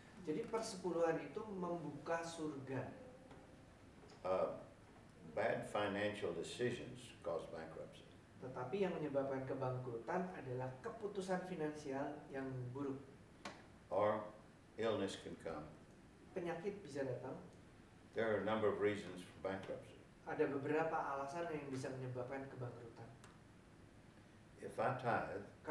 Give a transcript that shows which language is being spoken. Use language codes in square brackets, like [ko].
[id] Jadi persepuluhan itu membuka surga. [en] Bad financial decisions cause bankruptcy. [id] Tetapi yang menyebabkan kebangkrutan adalah keputusan finansial yang buruk. [en] Or illness can come. [id] Penyakit bisa datang. [en] There are a number of reasons for bankruptcy. [id] Ada beberapa alasan yang bisa menyebabkan kebangkrutan. [en] If I tithe,